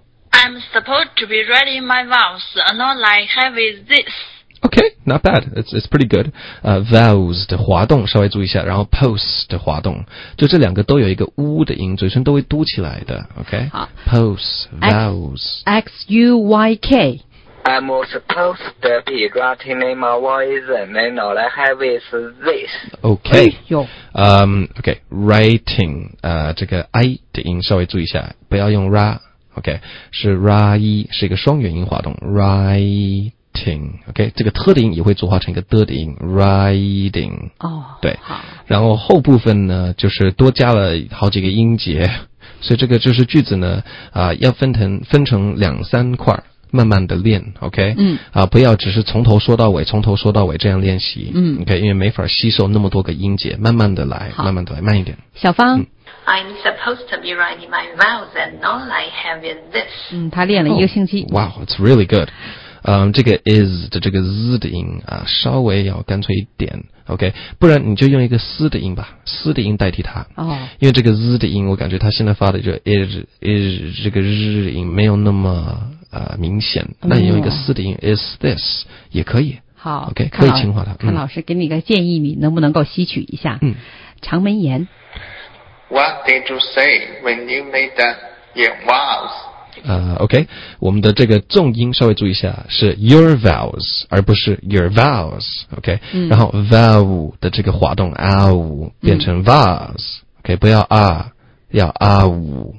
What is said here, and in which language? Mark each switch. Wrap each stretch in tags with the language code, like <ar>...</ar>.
<en>，I'm supposed to be writing my vows, and all I have is this. Okay, not bad. It's pretty good.</en> <zh>Vows 的滑动稍微注意一下，然后 pose 的滑动，就这两个都有一个呜的音，嘴唇都会嘟起来的。</zh> <en>Okay. Pose, vows. X U Y K. I'm supposed to be writing in my vows, and then all I have is this. Okay.</en> <zh>哟。</zh> <en>Okay, writing.</en> <zh>这个 I 的音稍微注意一下，不要用 ra. Okay, 是 ra I 是一个双元音滑动 ，ra I. Writing, OK， 这个特的音也会组化成一个的音 ，writing。哦，对，好。然后后部分呢，就是多加了好几个音节，所以这个就是句子呢，要分成两三块，慢慢的练 ，OK。嗯。啊，不要只是从头说到尾这样练习。嗯。 OK， 因为没法吸收那么多个音节，慢慢的来，慢慢的来，慢一点。小芳。</zh> <en>I'm supposed to be writing my vows, and all I have is this。</en> <zh>嗯，他练了一个星期。</zh> <en>Oh, wow, it's really good.</en> <zh>这个 is 的这个 z 的音啊，稍微要干脆一点 ，OK， 不然你就用一个 s 的音吧 ，s 的音代替它。哦，因为这个 z 的音，我感觉它现在发的就 is 这个 z 的音没有那么明显，那你用一个 s 的音</zh> <en>is this</en> <zh>也可以。好，OK， 可以轻化它。看老师给你个建议，你能不能够吸取一下？嗯，长门炎。</zh> <en>What did you say when you made up your vows?</en> <zh>OK， 我们的这个重音稍微注意一下，是</zh> <en>your vows</en> <zh>而不是 your vows， OK，嗯，然后 vow 的这个滑动 a 五变成 vows，嗯，OK， 不要 a， 要 a 五，</zh>